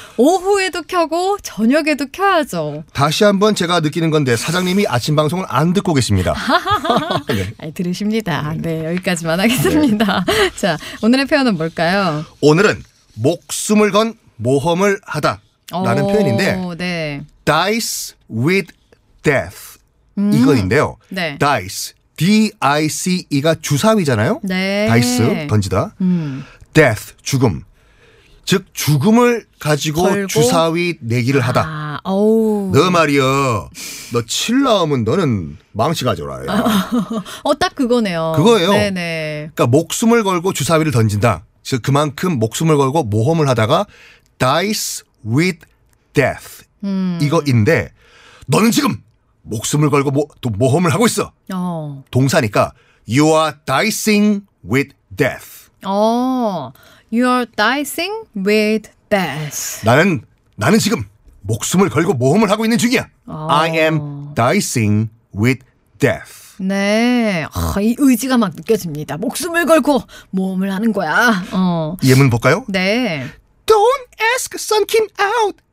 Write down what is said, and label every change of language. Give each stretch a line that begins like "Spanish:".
Korean: 오후에도 켜고 저녁에도 켜야죠. 다시 한번 제가 느끼는 건데 사장님이 아침 방송을 안 듣고 계십니다. 네. 들으십니다. 네, 여기까지만 하겠습니다. 네. 자, 오늘의 표현은 뭘까요? 오늘은 목숨을 건 모험을 하다라는 표현인데 네.
English: Dice with death
Korean: 이건인데요. 네. Dice, D-I-C-E가 주사위잖아요. 네. Dice, 던지다. Death, 죽음. 즉 죽음을 가지고 걸고? 주사위 내기를 하다. 너 말이여, 너 칠라오면 너는 망치 가져라. 딱 그거네요. 그거예요. 네네. 그러니까 목숨을 걸고 주사위를 던진다. 즉 그만큼 목숨을 걸고 모험을 하다가
English: dies with death
Korean: 이거인데 너는 지금 목숨을 걸고 모험을 하고 있어. 동사니까
English: you are dicing with death. You're dicing with death.
Korean: 나는 지금 목숨을 걸고 모험을 하고 있는 중이야.
English: I am dicing with death.
Korean: 네. 이 의지가 막 느껴집니다. 목숨을 걸고 모험을 하는 거야. 예문 볼까요? 네.
English: Don't ask Sunkim out.